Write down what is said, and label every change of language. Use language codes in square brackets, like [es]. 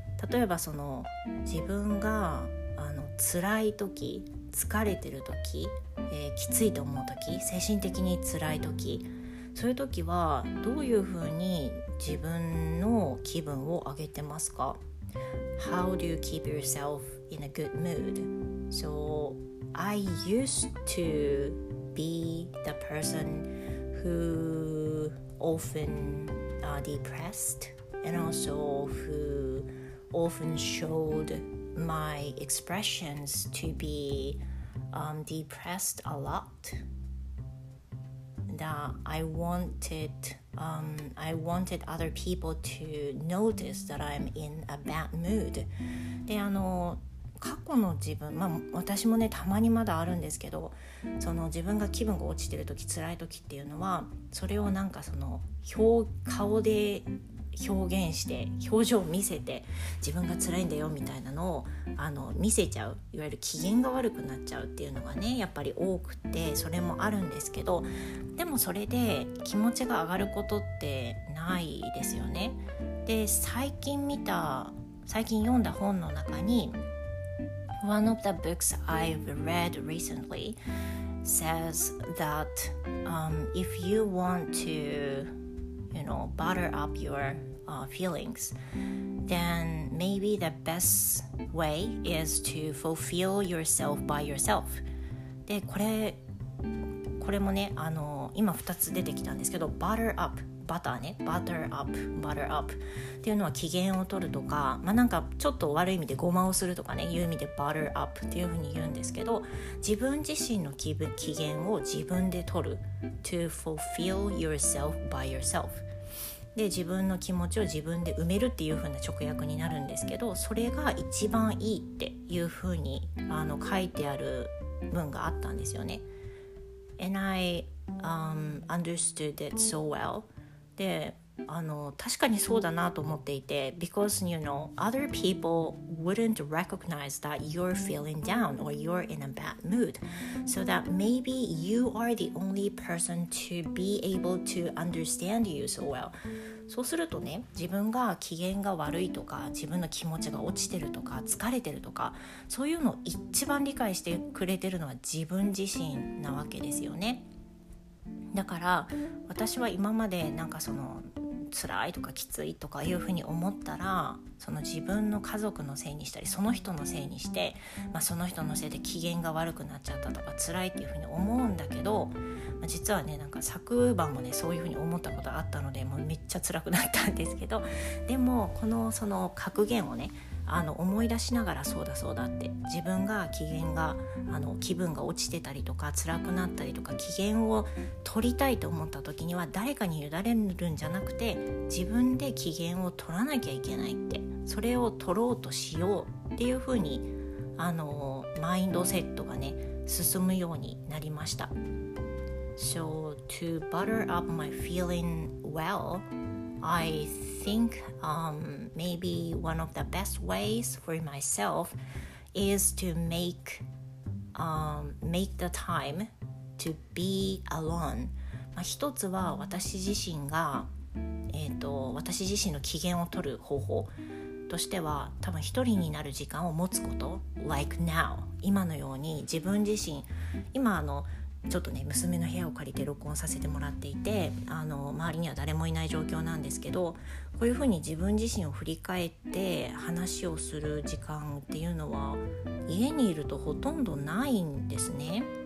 [ja] 例えばその自分が辛い時、疲れてる時、きついと思う時、精神的に辛い時、そういう時はどういう風に自分の気分を上げてますか？ [en] How do you keep yourself in a good mood? So I used to be the person who often are depressed and also who often showed my expressions to be depressed a lot. That I wanted other people to notice that I'm in a bad mood. [ja] で、過去の自分、まあ私もね、たまにまだあるんですけど、その自分が気分が落ちてるとき、辛いときっていうのは、それをなんかその顔で表現して、表情を見せて自分が辛いんだよみたいなのを見せちゃう、いわゆる機嫌が悪くなっちゃうっていうのがね、やっぱり多くて、それもあるんですけど、でもそれで気持ちが上がることってないですよね。で最近読んだ本の中に、 [en] One of the books I've read recently says that if you want toyou know, butter up your feelings, then maybe the best way is to fulfill yourself by yourself. [ja] で、これもね、今2つ出てきたんですけど、butter up、バターね、butter up、butter up っていうのは機嫌を取るとか、まあなんかちょっと悪い意味でごまをするとかね、いう意味で butter up っていうふうに言うんですけど、自分自身の機嫌を自分で取る、 [en] to fulfill yourself by yourself。 [ja] で自分の気持ちを自分で埋めるっていう風な直訳になるんですけど、それが一番いいっていう風に書いてある文があったんですよね。 [en] And I understood that so well. [ja] で確かにそうだなと思っていて、 [en] Because you know other people wouldn't recognize that you're feeling down or you're in a bad mood, so that maybe you are the only person to be able to understand you so well. [ja] そうするとね、自分が機嫌が悪いとか自分の気持ちが落ちてるとか疲れてるとか、そういうのを一番理解してくれてるのは自分自身なわけですよね。だから私は今までなんかその辛いとかきついとかいうふうに思ったら、その自分の家族のせいにしたり、その人のせいにして、まあ、その人のせいで機嫌が悪くなっちゃったとか辛いっていうふうに思うんだけど、まあ、実はね、なんか昨晩もねそういうふうに思ったことあったので、もうめっちゃ辛くなったんですけど、でもこのその格言をね思い出しながら、そうだそうだって、自分が機嫌が気分が落ちてたりとか辛くなったりとか、機嫌を取りたいと思った時には誰かに委ねるんじゃなくて、自分で機嫌を取らなきゃいけないって、それを取ろうとしようっていう風にマインドセットがね進むようになりました。 [en] So to butter up my feeling well,I think maybe one of the best ways for myself is to make the time to be alone. [ja] まあ、一つは私自身が、私自身の機嫌を取る方法としては、多分一人になる時間を持つこと、 [en] like now [ja] 今のように自分自身、今ちょっとね娘の部屋を借りて録音させてもらっていて、周りには誰もいない状況なんですけど、こういうふうに自分自身を振り返って話をする時間っていうのは家にいるとほとんどないんですね。